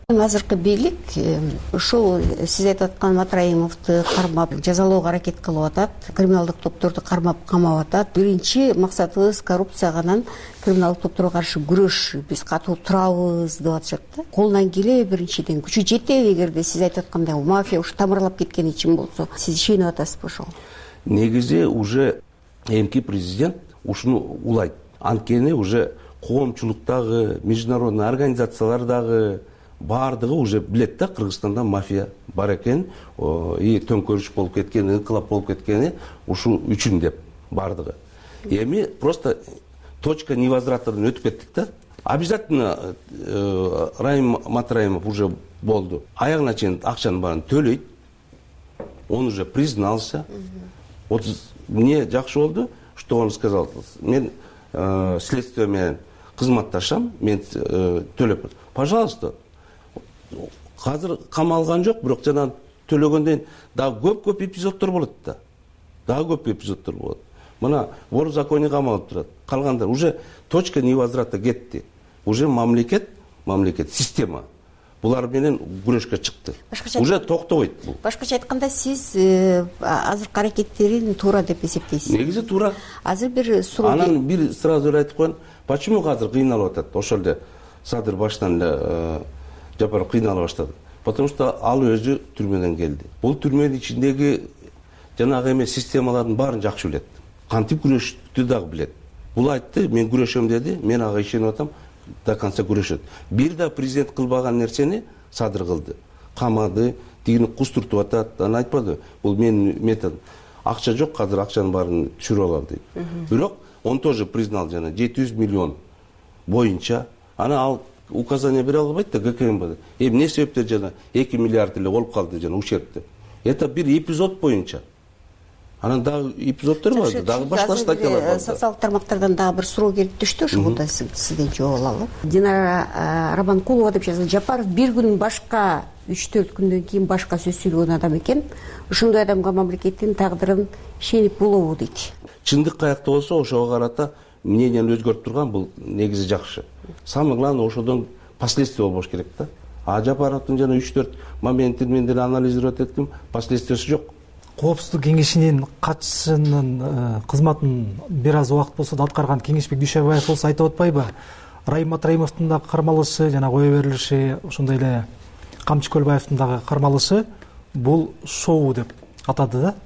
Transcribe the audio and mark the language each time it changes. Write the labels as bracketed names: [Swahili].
[Kyrgyz] Азыркы бийлик ушул сиз айтып аткан Матраимовду кармап жазалоого аракет кылып атат, криминалдык топторду кармап камап атат. Биринчи максатыбыз коррупцияга анан криминалдык топторго каршы күрөш, биз катуу турабыз деп атышат да. Колунан келе биринчиден күчү жетеби, эгерде сиз айтып аткандай мафия ушу тамырлап кеткен ичин болсо, сиз ишенип атасызбы ошого? Негизи уже эмки президент ушуну улайт. Анткени уже коомчулуктагы, международный организациялар дагы баардыгы уже билет да Кыргызстанда мафия бар экен и төңкөрүш болуп кеткени, инкылап болуп кеткени ушул үчүн деп баардыгы. Эми просто точка невозвратынан өтүп кеттик да. Обязательно Райым Матраимов уже болду. Аягына чейин акчанын баарын төлөйт. [Russian] Он уже признался. Вот мне [Kyrgyz] жакшы болду, [Russian] что он сказал. [Kyrgyz] Мен следствие менен кызматташам, мен төлөп. Пожалуйста. Азыр камалган жок, бирок жана төлөгөндөн дагы көп-көп эпизодтор болот да. Дагы көп эпизодтор болот. Мына вор в законе камалып турат. Калгандар уже [Russian] точка невозврата [Kyrgyz] кетти. Уже мамлекет, система булар менен күрөшкө чыкты. Уже токтобойт бул. Башкача айтканда сиз азыркы аракеттерин туура деп эсептейсиз. Негизи туура. Азыр бир суроо. Анан бир сразу эле айтып коёюн. Почему азыр кыйналып атат? Ошол эле Садыр баштан эле Жапаров кыйнала баштады. Потому что ал өзү түрмөдөн келди. Бул түрмөнүн ичиндеги жанагы эме системалардын баарын жакшы билет. Кантип күрөшүштү дагы билет. Бул айтты, мен күрөшөм деди. Мен ага ишенип атам. [Russian] До конца [Kyrgyz] күрөшөт. Бир да президент кылбаган нерсени Садыр кылды. Камады, тигини куструктуп атат. Анан айтпады, бул менин методом. Акча жок, азыр акчанын баарын түшүрүп алам дейт. Бирок [Russian] он тоже признал [Kyrgyz] жана 700 миллион боюнча. Анан ал указание бере албайт да ГКМБда. Эмне себептер жана 2 миллиард эле болуп калды жана ущербти. Это бир эпизод боюнча. Анан дагы эпизодтор бар, дагы башка статьялар бар. Социалдык тармактардан дагы бир суроо келип түштү, ошого да сизден жооп алалы. Динара Рабанкулова деп жазды. Жапаров бир күн башка, 3-4 күндөн кийин башка сөз сүйлөгөн адам экен. Ушундай адамга мамлекеттин тагдырын ишенип болобу дейт. Чындык каякта болсо, ошого карата мнениени өзгөртүп турган бул негизи жакшы. [Russian] Самое главное [Kyrgyz] ошодон последствия болбош керек да. А Жапаровдун жана 3-4 моментин мен деле анализировать эттим, последствиясы жок. Коопсуздук кеңешинин катчысынын кызматын бир аз убакыт болсо да аткарган Кеңешбек Дүйшөбаев болсо айтып атпайбы? Райым Матраимовдун дагы кармалышы жана кое берилиши, ошондой эле Камчы Көлбаевдин дагы кармалышы бул шоу деп атады да.